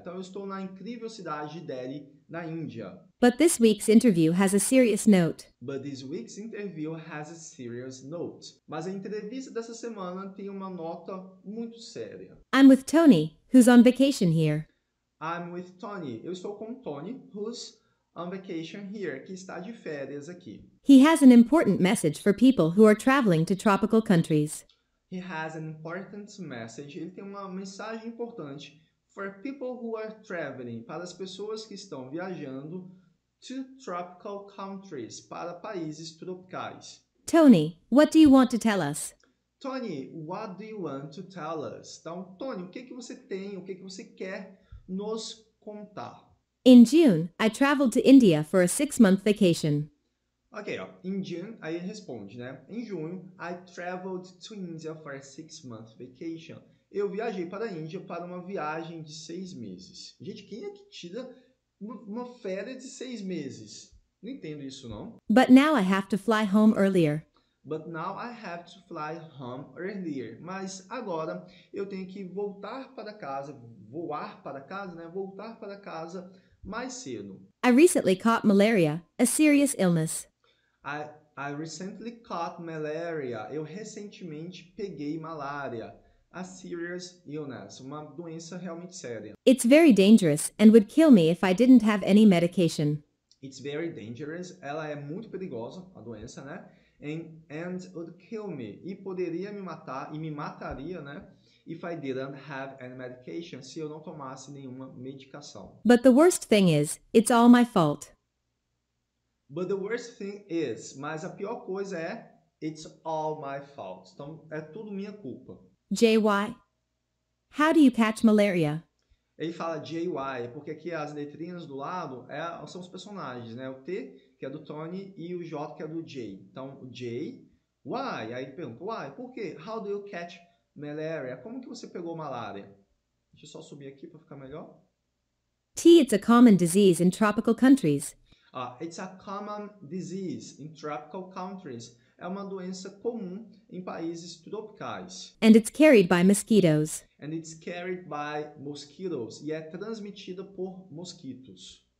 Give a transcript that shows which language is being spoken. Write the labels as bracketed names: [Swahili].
[Portuguese] Então eu estou na incrível cidade de Delhi, na Índia. [English] But this week's interview has a serious note. But this week's interview has a serious note. [Portuguese] Mas a entrevista dessa semana tem uma nota muito séria. [English] I'm with Tony, who's on vacation here. I'm with Tony, [Portuguese] eu estou com Tony, [English] who's on vacation here, [Portuguese] que está de férias aqui. [English] He has an important message for people who are traveling to tropical countries. He has an important message. [Portuguese] Ele tem uma mensagem importante [English] for people who are traveling, [Portuguese] para as pessoas que estão viajando [English] to tropical countries, [Portuguese] para países tropicais. [English] Tony, what do you want to tell us? Tony, what do you want to tell us? [Portuguese] Então, Tony, o que você quer nos contar? [English] In June, I traveled to India for a 6-month vacation. Ok, ó. In June, [Portuguese] aí ele responde, né? Em junho, [English] I traveled to India for a 6-month vacation. [Portuguese] Eu viajei para a Índia para uma viagem de 6 meses. Gente, quem é que tira uma férias de 6 meses? Não entendo isso, não. [English] But now I have to fly home earlier. But now I have to fly home earlier. [Portuguese] Mas agora eu tenho que voltar para casa, voar para casa, né? Voltar para casa mais cedo. [English] I recently caught malaria, a serious illness. I recently caught malaria. [Portuguese] Eu recentemente peguei malária. [English] a serious illness, [Portuguese] uma doença realmente séria. [English] It's very dangerous and would kill me if I didn't have any medication. It's very dangerous, [Portuguese] ela é muito perigosa, a doença, né? [English] And would kill me, [Portuguese] e poderia me matar, e me mataria, né? [English] If I didn't have any medication, [Portuguese] se eu não tomasse nenhuma medicação. [English] But the worst thing is, it's all my fault. But the worst thing is, [Portuguese] mas a pior coisa é, [English] it's all my fault. [Portuguese] Então, é tudo minha culpa. [English] JY, how do you catch malaria? [Portuguese] Ele fala JY, porque aqui as letrinhas do lado são os personagens, né? O T, que é do Tony, e o J, que é do J. Então, J, why? Aí ele pergunta, why? Por quê? [English] How do you catch malaria? [Portuguese] Como que você pegou malária? Deixa eu só subir aqui para ficar melhor. [English] T, it's a common disease in tropical countries. It's a common disease in tropical countries. [Portuguese] É uma doença comum em países tropicais. [English] And it's carried by mosquitoes. And it's carried by mosquitoes. [Portuguese] E é transmitida por mosquitos.